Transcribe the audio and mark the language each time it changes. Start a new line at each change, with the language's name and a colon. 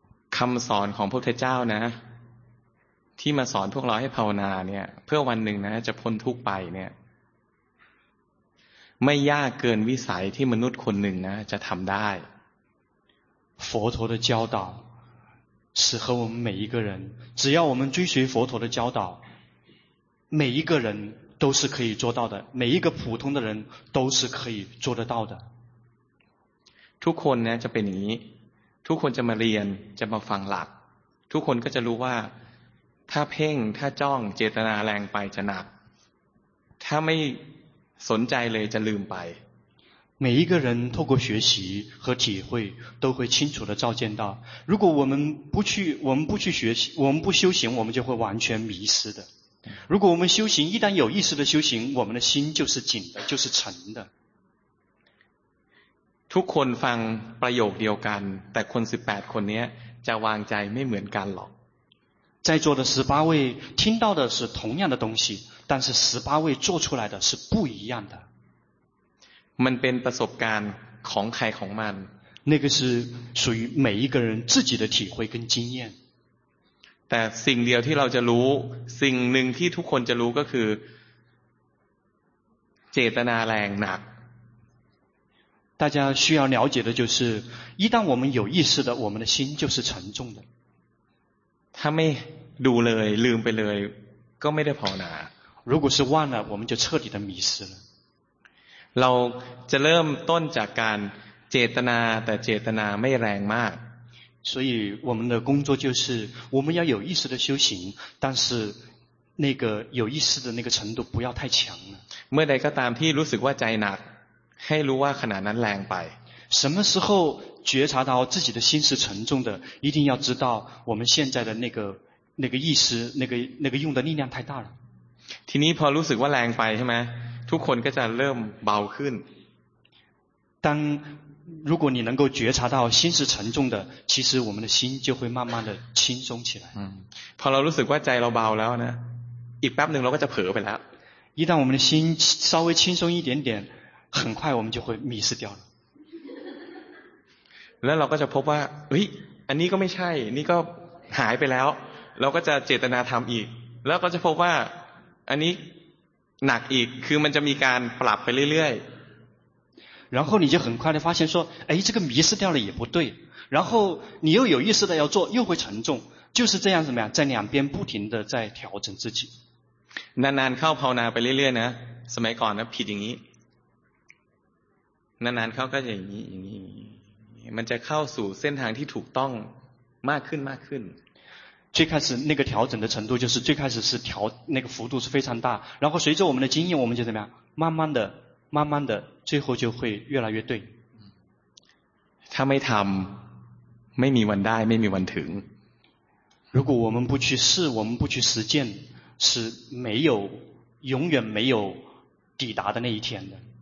Thai: คำสอนของพระพุทธเจ้านะที่มาสอนพวกเราให้ภาวนาเนี่ยเพื่อวันหนึ่งนะจะพ้นทุกข์ไปเนี่ยไม่ยากเกินวิสัยที่มนุษย์คนหนึ่งนะจะทำได้
Chinese: 佛陀的教导适合我们每一个人，只要我们追随佛陀的教导，每一个人都是可以做到的，每一个普通的人都是可以做得到的。
Thai: ทุกคนเนี่ยจะเป็นอย่างนี้ทุกคนจะมาเรียนจะมาฟังหลักทุกคนก็จะรู้ว่าถ้าเพ่งถ้าจ้องเจตนาแรงไปจะหนักถ้าไม่สนใจเลยจะลืมไป
Chinese: 每一个人透过学习和体会都会清楚地照见到，如果我们不去，我们不去学习，我们不修行，我们就会完全迷失的。如果我们修行，一旦有意识的修行，我们的心就是紧的，就是沉的。
Thai: ทุกคนฟังประโยคเดียวกันแต่คน18คนนี้จะวางใจไม่เหมือนกันหรอก
Chinese: 在座的18位听到的是同样的东西，但是18位做出来的是不一样的。
Thai: มันเป็นประสบการณ์ของใครของมัน
Chinese: 那个是属于每一个人自己的体会跟经验
Thai: แต่สิ่งเดียวที่เราจะรู้สิ่งหนึ่งที่ทุกคนจะรู้ก็คือเจตนาแรงหนัก
Chinese: 大家需要了解的就是一旦我们有意识的我们的心就是沉重的
Thai: ถ้าไม่ดูเลยลืมไปเลยก็ไม่ได้ภาวนา
Chinese: 如果是忘了我们就彻底的迷失了
Thai: เราจะเริ่มต้นจากการเจตนาแต่เจตนาไม่แรงมาก
Chinese: 所以我们的工作就是我们要有意识的修行但是那个有意识的那个程度不要太强
Thai: เมื่อใดก็ตามที่รู้สึกว่าใจหนักให้รู้ว่าขณะนั้นแรงไป
Chinese: 什么时候觉察到自己的心是沉重的一定要知道我们现在的那个意识那个用的力量太大了
Thai: ทีนี้พอรู้สึกว่าแรงไปใช่ไหมทุกคนก็จะเริ่มเบาขึ้น
Chinese: 当如果你能够觉察到心是沉重的其实我们的心就会慢慢的轻松起来
Thai: พอเรารู้สึกว่าใจเราเบาแล้วนะอีกแป๊บหนึ่งเราก็จะเผลอไปแล้ว
Chinese: 一旦我们的心稍微轻松一点点很快我们就会迷失掉了
Thai: แล้วเราก็จะพบว่าเฮ้ยอันนี้ก็ไม่ใช่นี่ก็หายไปแล้วเราก็จะเจตนาทำอีกแล้วก็จะพบว่าอันนี้หนักอีกคือมันจะมีการปรับไปเรื่อย
Chinese: ๆ然后你就很快地发现说哎这个迷失掉了也不对然后你又有意识的要做又会沉重就是这样怎么样在两边不停地在调整自己
Thai: นานๆเข้าภาวนาไปเรื่อยๆนะสมัยก่อนนะผิดอย่างนี้นานๆเข้าก็อย่างนี้มันจะเข้าสู่เส้นทางที่ถูกต้องมากขึ้น
Chinese: 最开始那个调整的程度就是最开始是调那个幅度是非常大然后随着我们的经验我们就怎么样慢慢的最后就会越来越对他没谈没迷完带没迷完疼如果我们不去试我们不去实践是没有永远没有抵达的那一天的